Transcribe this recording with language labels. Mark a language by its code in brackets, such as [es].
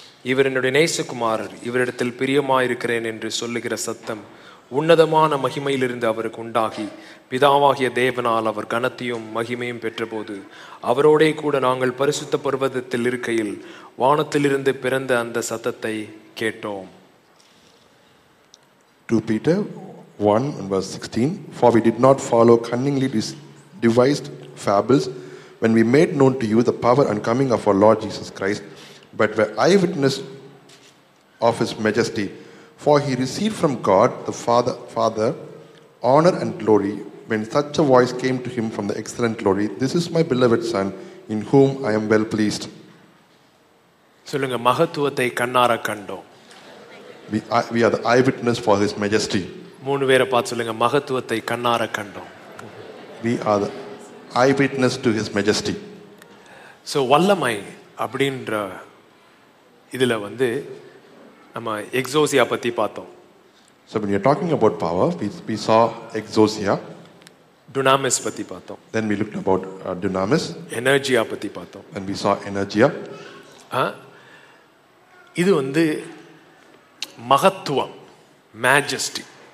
[ta] இவர் என்னுடைய நேசுகுமாரர், இவரிடத்தில் பிரியமாயிருக்கிறேன் என்று சொல்லுகிற சத்தம் உன்னதமான மகிமையிலிருந்து அவருக்கு உண்டாகி பிதாவாகிய தேவனால் அவர் கனத்தையும் மகிமையும் பெற்றபோது அவரோடே கூட நாங்கள் பரிசுத்த பர்வதத்தில் இருக்கையில் வானத்திலிருந்து பிறந்த அந்த சத்தத்தை கேட்டோம். [en] 2 Peter 1 and verse 16, for we did not follow cunningly devised fables when we made known to you the power and coming of our Lord Jesus Christ, but were eyewitness of his majesty. For he received from God the Father honor and glory when such a voice came to him from the excellent glory, this is my beloved son in whom I am well pleased. [ta] சொல்லுங்க, மகத்துவத்தை கண்ணார கண்டோம். [en] We are the eyewitness for his majesty. [ta] மூணு பேரை பார்த்து சொல்லுங்க, மகத்துவத்தை கண்ணார கண்டோம். [en] We are the eyewitness to His Majesty. [ta] So வல்லமை அப்படின்ற இதில் வந்து நம்ம எக்ஸோசியா பற்றி பார்த்தோம். [en] So when you're talking about power, we saw exousia. [ta] Dunamis பற்றி பார்த்தோம். [en] Then we looked about dunamis. [ta] Energia பற்றி பார்த்தோம். [en] And we saw energia. [ta] இது வந்து மகத்துவம், majesty.